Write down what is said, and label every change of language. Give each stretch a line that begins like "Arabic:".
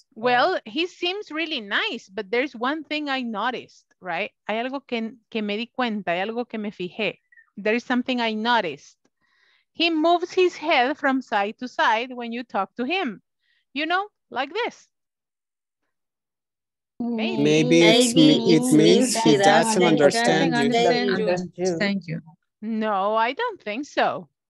English: Well, he seems really nice, but there's one thing I noticed, right?
Spanish: Hay algo que me di cuenta, hay algo que me fijé.
English: There is something I noticed. He moves his head from side to side when you talk to him. You know, like this. Maybe it means he doesn't understand you. No, I don't think so.